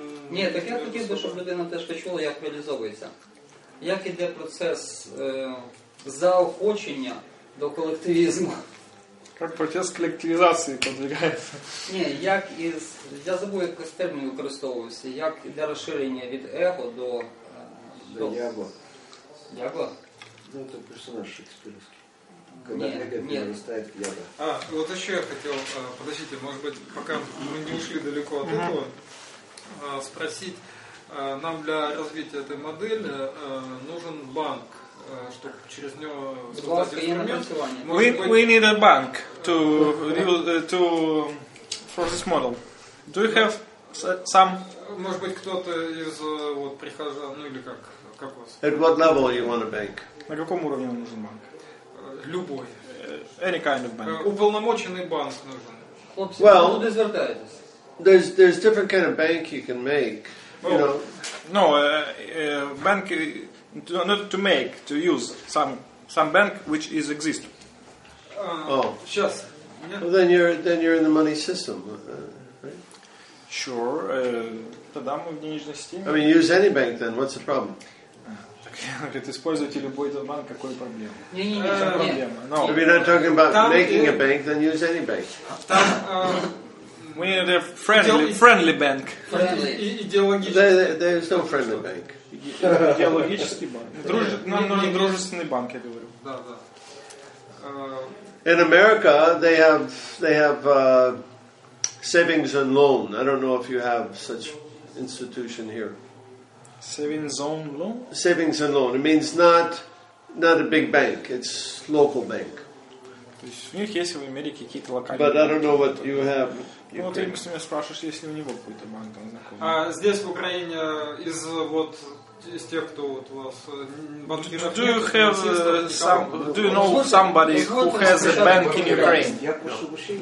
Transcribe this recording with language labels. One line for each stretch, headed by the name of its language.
Ukrainian: Ні, так я хотів би, щоб людина теж почула, як реалізовується. Як іде процес заохочення до колективізму. Як процес колективізації подвигається. Ні, як із... Я забув, якось термін використовувався. Як для розширення від его до... До яго. Яго? Ну, це персонаж шекспірський.
Russian: Когда нет, нет. А, вот еще я хотел, подождите, может быть, пока мы не ушли далеко от этого, спросить, нам для развития этой модели нужен банк, чтобы через него создать инструмент.
English: We need a bank to for this model. Do you have some?
Russian: Может быть, кто-то из вот прихожан, ну или как у вас?
English: At what level you want a bank?
Russian: На каком уровне вам нужен банк? Любой.
English: Any kind of bank.
Russian: Уполномоченный банк нужен.
English: Well, there's different kind of bank you can make. Well, you know. No, bank not to make, to use some bank which is existing.
Russian: Сейчас.
English: Well, then you're in the money system, right? Sure.
Russian: Тогда мы в денежной системе.
English: I mean, use any bank then. What's the problem?
Russian: Используйте любой банк, какой проблема? Не, не, не.
English: No. If you're not talking about там making a bank, then use any bank.
Russian: Там,
English: we need a friendly bank. There's no friendly bank.
Russian: Идеологический банк. Нам нужен дружественный банк, я говорю. Да, да.
English: In America, they have savings and loan. I don't know if you have such institution here. Savings and loan? Savings and loan. It means not a big bank. It's local bank. But I don't know what you have.
Russian: Ну, вот, если меня спрашиваешь, есть ли у него какой-то банк, он знакомый. А здесь, в Украине, из тех, кто вот у вас...
English: Do you have some... Do you know somebody who has a bank in Ukraine?